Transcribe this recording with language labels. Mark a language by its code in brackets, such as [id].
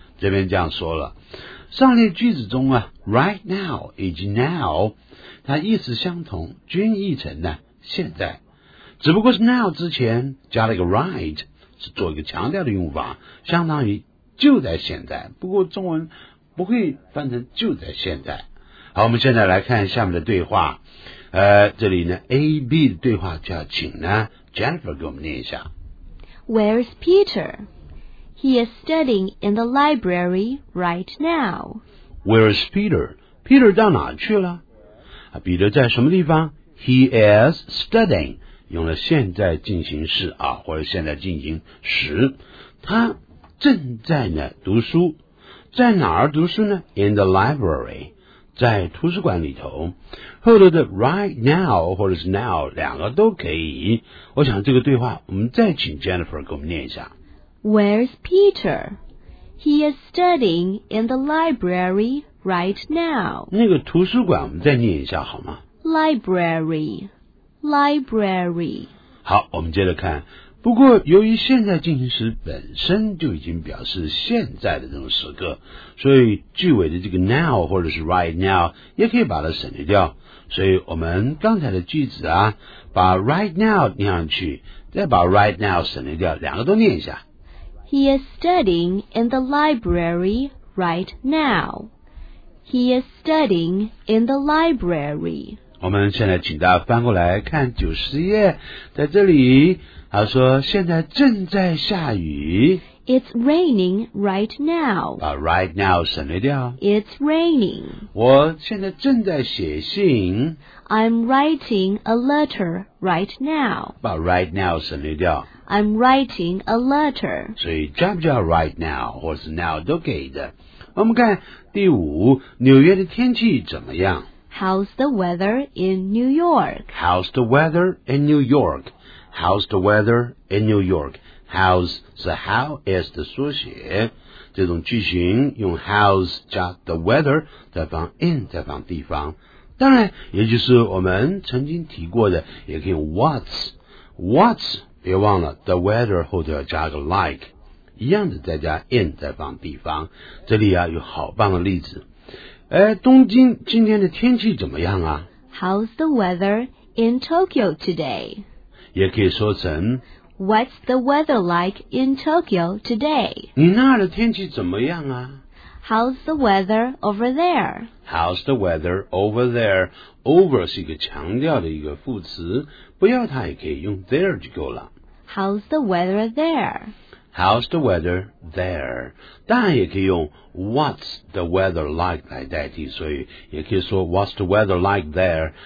[zh] 这边这样说了，上列句子中啊 right now 以及 now 它意思相同，均译成呢现在，只不过是 now 之前加了一个 right， 是做一个强调的用法，相当于就在现在，不过中文不会翻成就在现在。好，我们现在来看下面的对话，这里呢 AB 的对话就要请呢 Jennifer 给我们念一下。 [en] Where's Peter? He is studying in the library right now. Where is Peter? [zh] Peter 到哪去了？彼得在什么地方？ [en] He is studying， [zh] 用了现在进行式啊，或者现在进行时。他正在呢读书，在哪儿读书呢？ [en] In the library， [zh] 在图书馆里头。后头的 right now 或者是 now 两个都可以。我想这个对话，我们再请 Jennifer 给我们念一下。 [en] Where's Peter? He is studying in the library right now. [zh] 那个图书馆我们再念一下好吗？ [en] Library, library. [zh] 好，我们接着看。不过由于现在进行时本身就已经表示现在的这种时刻，所以句尾的这个 now 或者是 right now 也可以把它省略掉。所以我们刚才的句子啊，把 right now 念上去，再把 right now 省略掉，两个都念一下。 [en] He is studying in the library right now. He is studying in the library. [zh] 我们现在请大家翻过来看90页，在这里他说现在正在下雨。 [en] It's raining right now. [zh] 把 right now 省略掉。 [en] It's raining. [zh] 我现在正在写信。 [en] I'm writing a letter right now. [zh] 把 right now 省略掉。 [en] I'm writing a letter. [zh] 所以加不加 right now 或是 now 都可以的。我们看第五，纽约的天气怎么样？ [en] How's the weather in New York? How's the weather in New York? How's the weather in New York? [zh] How's 是 how is 的缩写，这种句型用 how's 加 the weather 再放 in 再放地方，当然也就是我们曾经提过的也可以用 what's。 What's别忘了 the weather 后头要加个 like， 一样的再加 in 再放地方。这里啊有好棒的例子，东京今天的天气怎么样啊？ [en] How's the weather in Tokyo today? [zh] 也可以说成 [en] What's the weather like in Tokyo today? [zh] 你那儿的天气怎么样啊？ [en] How's the weather over there? How's the weather over there? [zh] Over 是一个强调的一个副词，不要它也可以用 there 就够了。 [en] How's the weather there? How's the weather there? [zh] 当然也可以用 [en] what's the weather like [zh] 来代替，所以也可以说 [en] what's the weather like there?